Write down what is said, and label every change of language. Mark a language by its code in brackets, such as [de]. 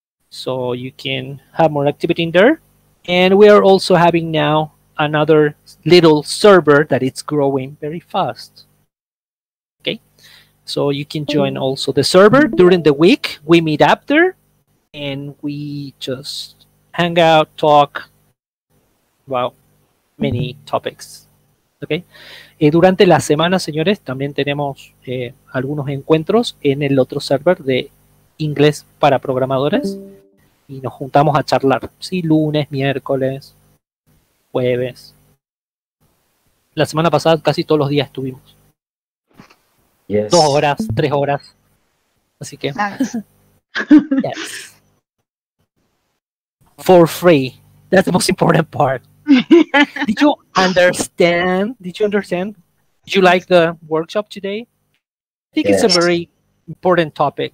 [en] So you can have more activity in there. And we are also having now another little server that it's growing very fast. Okay, so you can join also the server during the week. We meet up there and we just hang out, talk about many topics. [es] Okay, durante la semana, señores, también tenemos algunos encuentros en el otro server de inglés para programadores y nos juntamos a charlar. Sí, lunes, miércoles, jueves. La semana pasada casi todos los días estuvimos. [en] Yes. [es] 2 horas, 3 horas. Así que. [en] Nice. Yes. For free. That's the most important part. Did you understand? Did you understand? Did you like the workshop today? I think it's a very important topic.